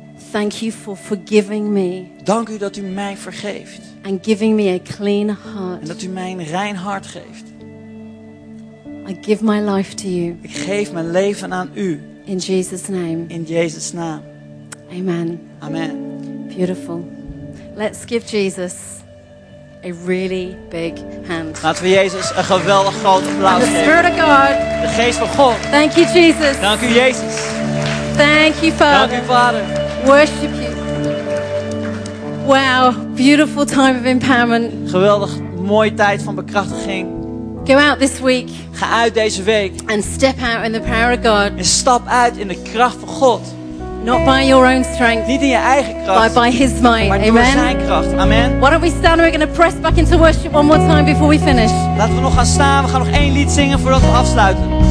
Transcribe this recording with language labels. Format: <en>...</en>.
<en>Thank you for forgiving me.</en> <nl>Dank u dat u mij vergeeft.</nl> <en>And giving me a clean heart.</en> <nl>En dat u mij een rein hart geeft.</nl> <en>I give my life to you.</en> <nl>Ik geef mijn leven aan u.</nl> <en>In Jesus' name.</en> <nl>In Jezus' naam.</nl> <en>Amen.</en> <nl>Amen.</nl> <en>Beautiful. Let's give Jesus a really big hand.</en> <nl>Laten we Jezus een geweldig grote applaus geven.</nl> <en>The Spirit of God.</en> <nl>De Geest van God.</nl> <en>Thank you, Jesus.</en> <nl>Dank u, Jezus.</nl> <en>Thank you, Father.</en> <nl>Dank u, Vader.</nl> <en>Worship you. Wow, beautiful time of empowerment.</en> <nl>Geweldig, mooie tijd van bekrachtiging.</nl> <en>Go out this week.</en> <nl>Ga uit deze week.</nl> <en>And step out in the power of God.</en> <nl>En stap uit in de kracht van God.</nl> <en>Not by your own strength.</en> <nl>Niet in je eigen kracht.</nl> <en>But by His might.</en> <nl>Maar amen. Door zijn kracht. Amen.</nl> <en>Why don't we stand? We're going to press back into worship one more time before we finish.</en> <nl>Laten we nog gaan staan. We gaan nog één lied zingen voordat we afsluiten.</nl>